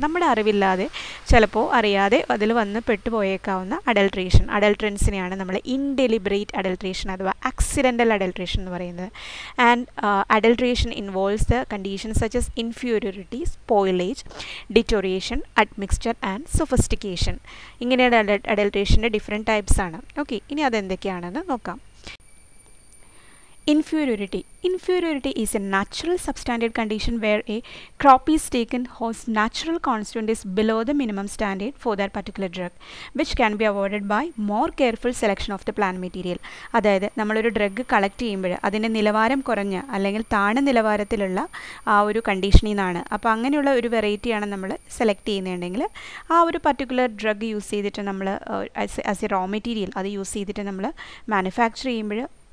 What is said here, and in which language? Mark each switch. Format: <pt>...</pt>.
<ml>നമ്മുടെ അറിവില്ലാതെ ചിലപ്പോൾ അറിയാതെ അതിൽ വന്ന് പെട്ടുപോയേക്കാവുന്ന അഡൾട്രേഷൻ അഡൾട്രൻസിനെയാണ് നമ്മൾ ഇൻഡെലിബറേറ്റ് അഡൾട്രേഷൻ അഥവാ ആക്സിഡൻ്റൽ അഡൾട്രേഷൻ എന്ന് പറയുന്നത്.</ml> <en>And adulteration involves the condition such as inferiority, spoilage, deterioration, admixture and sophistication.</en> <ml>ഇങ്ങനെയുള്ള അഡൾട്രേഷൻ്റെ ഡിഫറെൻ്റ് ടൈപ്സ് ആണ്. ഓക്കെ, ഇനി അതെന്തൊക്കെയാണെന്ന് നോക്കാം. Inferiority.</ml> <en>Inferiority is a natural substandard condition where a crop is taken whose natural constituent is below the minimum standard for that particular drug, which can be avoided by more careful selection of the plant material.</en> <ml>അതായത് നമ്മളൊരു drug collect ചെയ്യുമ്പോൾ അതിൻ്റെ നിലവാരം കുറഞ്ഞ അല്ലെങ്കിൽ താഴ്ന്ന നിലവാരത്തിലുള്ള ആ ഒരു കണ്ടീഷനിൽ നിന്നാണ്. അപ്പോൾ അങ്ങനെയുള്ള ഒരു വെറൈറ്റിയാണ് നമ്മൾ സെലക്ട് ചെയ്യുന്നുണ്ടെങ്കിൽ ആ ഒരു പർട്ടിക്കുലർ ഡ്രഗ് യൂസ് ചെയ്തിട്ട് നമ്മൾ</ml> <en>as a raw material</en> <ml>അത് യൂസ് ചെയ്തിട്ട് നമ്മൾ മാനുഫാക്ചർ ചെയ്യുമ്പോൾ</ml>